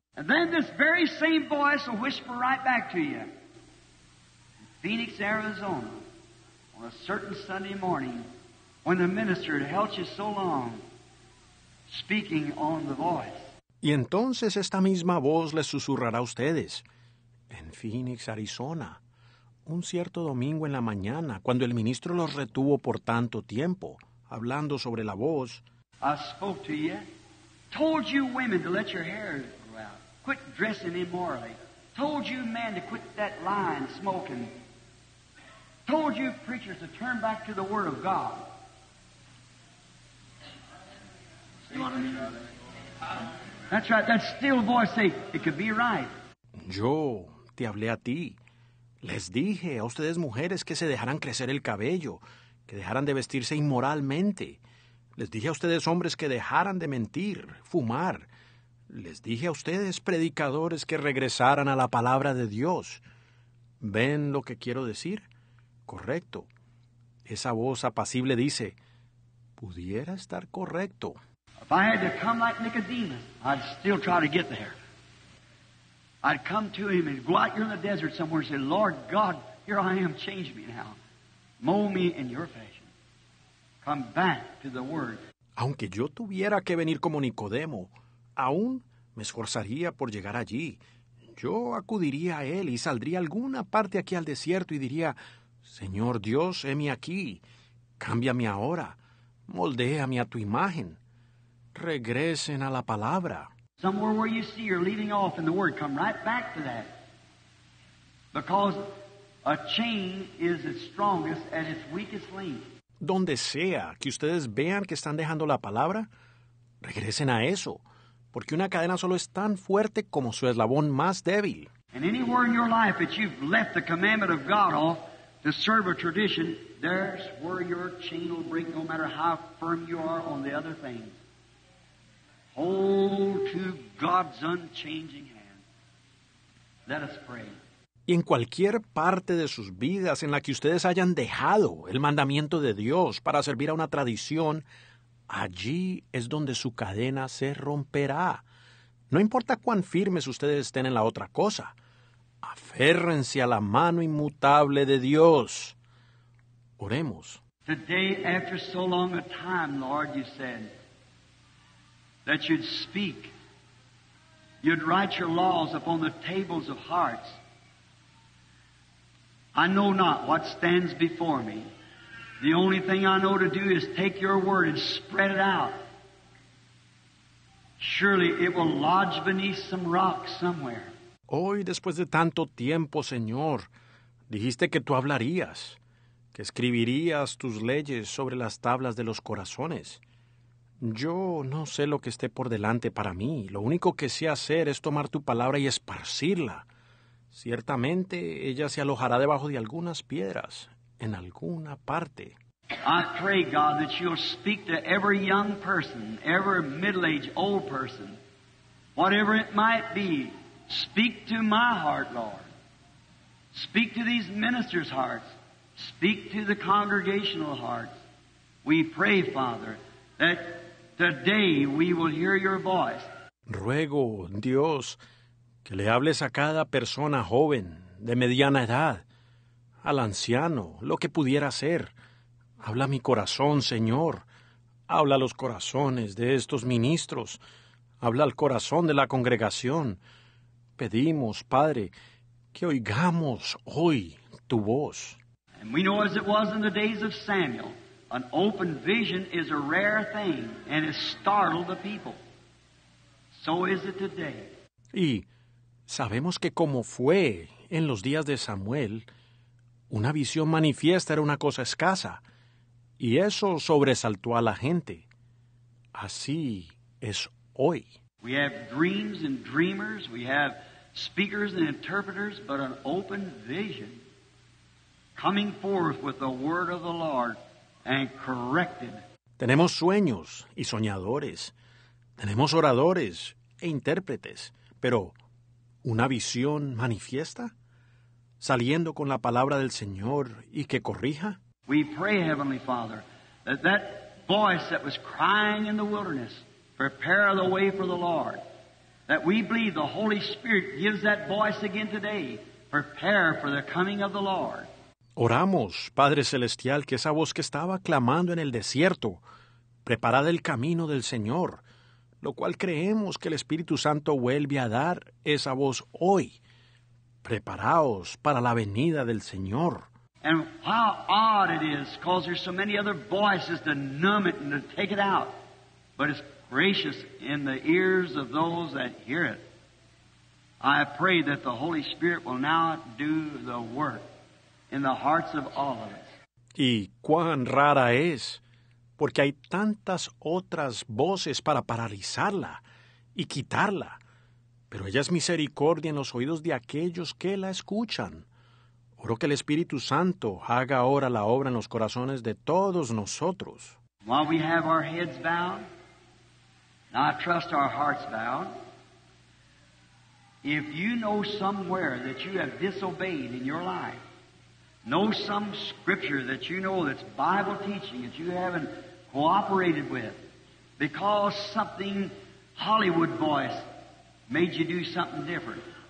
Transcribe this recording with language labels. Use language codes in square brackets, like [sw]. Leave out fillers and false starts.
[en] And then this very same voice will whisper right back to you. Phoenix, Arizona, on a certain Sunday morning, when the minister had held you so long, speaking on the voice. [es] Y entonces esta misma voz les susurrará a ustedes, en Phoenix, Arizona, un cierto domingo en la mañana, cuando el ministro los retuvo por tanto tiempo, hablando sobre la voz. [en] I spoke to you, told you women to let your hair grow out, quit dressing immorally, told you men to quit that lying, smoking, told you preachers to turn back to the Word of God. See what I mean? That's right, that still voice say, it could be right. [es] Yo te hablé a ti. Les dije a ustedes mujeres que se dejaran crecer el cabello, que dejaran de vestirse inmoralmente. Les dije a ustedes hombres que dejaran de mentir, fumar. Les dije a ustedes predicadores que regresaran a la palabra de Dios. ¿Ven lo que quiero decir? Correcto. Esa voz apacible dice, pudiera estar correcto. [en] If I had to come like Nicodemus, I'd still try to get there. I'd come to him and go out here in the desert somewhere and say, Lord God, here I am, change me now. Mold me in your fashion. Come back to the Word. [es] Aunque yo tuviera que venir como Nicodemo, aún me esforzaría por llegar allí. Yo acudiría a él y saldría alguna parte aquí al desierto y diría, Señor Dios, heme aquí. Cámbiame ahora. Moldéame a tu imagen. Regresen a la palabra. [en] Somewhere where you see you're leaving off in the Word, come right back to that. Because a chain is its strongest at its weakest link. [es] Donde sea que ustedes vean que están dejando la palabra, regresen a eso. Porque una cadena solo es tan fuerte como su eslabón más débil. [en] And anywhere in your life that you've left the commandment of God off to serve a tradition, there's where your chain will break, no matter how firm you are on the other things. Hold to God's unchanging hand. Let us pray. [es] Y en cualquier parte de sus vidas en la que ustedes hayan dejado el mandamiento de Dios para servir a una tradición, allí es donde su cadena se romperá. No importa cuán firmes ustedes estén en la otra cosa, aférrense a la mano inmutable de Dios. Oremos. [en] Today, after so long a time, Lord, you said that you'd speak, you'd write your laws upon the tables of hearts. I know not what stands before me. The only thing I know to do is take your word and spread it out. Surely it will lodge beneath some rock somewhere. [es] Hoy, después de tanto tiempo, Señor, dijiste que tú hablarías, que escribirías tus leyes sobre las tablas de los corazones. Yo no sé lo que esté por delante para mí. Lo único que sé hacer es tomar tu palabra y esparcirla. Ciertamente, ella se alojará debajo de algunas piedras, en alguna parte. [en] I pray, God, that you'll speak to every young person, every middle-aged old person, whatever it might be. Speak to my heart, Lord. Speak to these ministers' hearts. Speak to the congregational hearts. We pray, Father, that today we will hear your voice. [es] Ruego, Dios, que le hables a cada persona joven, de mediana edad, al anciano, lo que pudiera ser. Habla mi corazón, Señor. Habla los corazones de estos ministros. Habla el corazón de la congregación. Pedimos, Padre, que oigamos hoy tu voz. [en] And we know as it was in the days of Samuel, an open vision is a rare thing and it startled the people. So is it today. [es] Y sabemos que como fue en los días de Samuel, una visión manifiesta era una cosa escasa y eso sobresaltó a la gente. Así es hoy. [en] We have dreams and dreamers, we have speakers and interpreters, but an open vision coming forth with the word of the Lord and corrected. [es] Tenemos sueños y soñadores. Tenemos oradores e intérpretes. Pero, ¿una visión manifiesta? ¿Saliendo con la palabra del Señor y que corrija? [en] We pray, Heavenly Father, that that voice that was crying in the wilderness, prepare the way for the Lord, that we believe the Holy Spirit gives that voice again today, prepare for the coming of the Lord. [es] Oramos, Padre Celestial, que esa voz que estaba clamando en el desierto, preparad el camino del Señor, lo cual creemos que el Espíritu Santo vuelve a dar esa voz hoy. Preparaos para la venida del Señor. [en] And how odd it is, because there's so many other voices to numb it and to take it out. But it's gracious in the ears of those that hear it. I pray that the Holy Spirit will now do the work in the hearts of all of us. [es] Y cuán rara es, porque hay tantas otras voces para paralizarla y quitarla. Pero ella es misericordia en los oídos de aquellos que la escuchan. Oro que el Espíritu Santo haga ahora la obra en los corazones de todos nosotros. [en] While we have our heads bowed, and I trust our hearts bowed, if you know somewhere that you have disobeyed in your life, know some scripture that you know that's Bible teaching that you haven't cooperated with because something Hollywood voice made you do something different.